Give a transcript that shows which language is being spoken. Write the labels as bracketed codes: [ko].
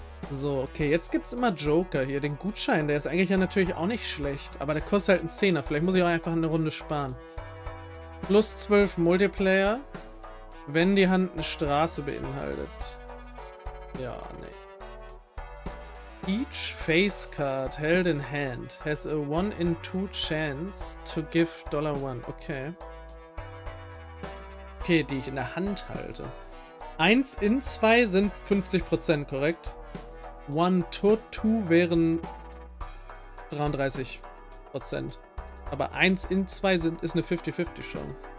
[de] So, okay, jetzt gibt es immer Joker hier. Den Gutschein, der ist eigentlich ja natürlich auch nicht schlecht. Aber der kostet halt einen Zehner. Vielleicht muss ich auch einfach eine Runde sparen. Plus 12 Multiplayer, wenn die Hand eine Straße beinhaltet. Ja, nee. [en] Each face card held in hand has a one in two chance to give dollar one. Okay. [de] Okay, die ich in der Hand halte. 1 in 2 sind 50%, korrekt? [en] One to two [de] wären 33%. Aber 1 in 2 ist eine 50-50 Chance.